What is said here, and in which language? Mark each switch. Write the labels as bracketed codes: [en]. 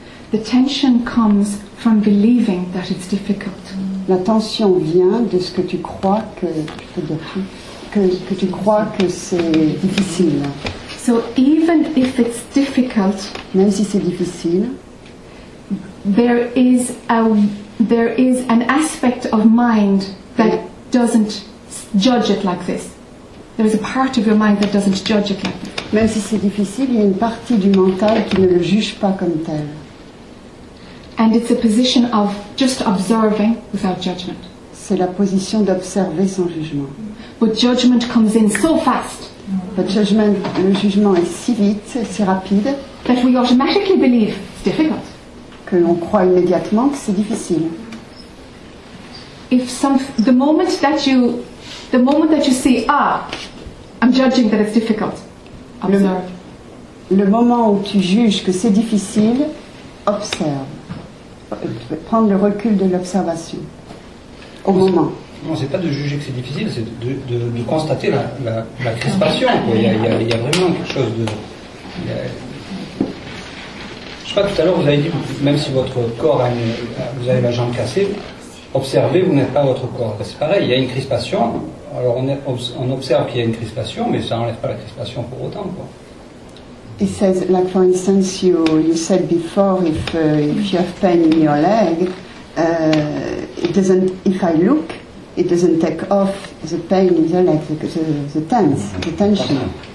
[en] The tension comes from believing that it's difficult. [fr] La tension vient de ce que tu crois que c'est difficile. [en] So even if it's difficult, [fr] même si c'est difficile, [en] There is an aspect of mind that doesn't judge it like this. There is a part of your mind that doesn't judge it like this. [fr] Même si c'est difficile, il y a une partie du mental qui ne le juge pas comme tel. [en] And it's a position of just observing without judgment. [fr] C'est la position d'observer sans jugement. [en] But judgment comes in so fast. But judgment, [fr] le jugement est si vite, si rapide. [en] That we automatically believe it's difficult. [fr] Que l'on croit immédiatement que c'est difficile. Le moment où tu juges que c'est difficile, observe. Prendre le recul de l'observation. Au moment. Non, c'est pas de juger que c'est difficile, c'est de constater la crispation. Il y a vraiment quelque chose de... Je crois que tout à l'heure vous avez dit, même si votre corps vous avez la jambe cassée, observez, vous n'êtes pas votre corps. C'est pareil, il y a une crispation, alors on observe qu'il y a une crispation, mais ça n'enlève pas la crispation pour autant, quoi. [en] It says, like for instance, you said before, if you have pain in your leg, it doesn't. If I look, it doesn't take off the pain in the leg, the tension.